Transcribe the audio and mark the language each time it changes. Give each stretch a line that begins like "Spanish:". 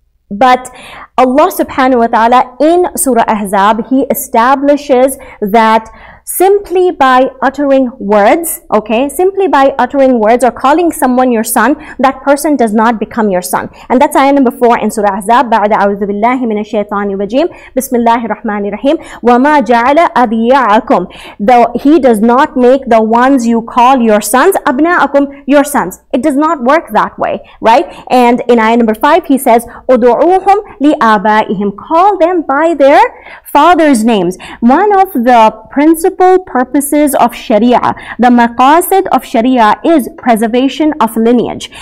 English: But Allah subhanahu wa ta'ala in Surah Ahzab, He establishes that simply by uttering words, okay? Simply by uttering words or calling someone your son, that person does not become your son. And that's ayah number 4 in Surah Ahzab.
Arabic: بعد أعوذ بالله من الشيطان الرجيم بسم الله الرحمن الرحيم وما جعل أبيعكم.
English: Though he does not make the ones you call your sons, أبناءكم, your sons. It does not work that way, right? And in ayah number 5, he says,
Arabic: أدعوهم لآبائهم.
English: Call them by their fathers' names. One of the principal purposes of Sharia, the maqasid of Sharia, is preservation of lineage.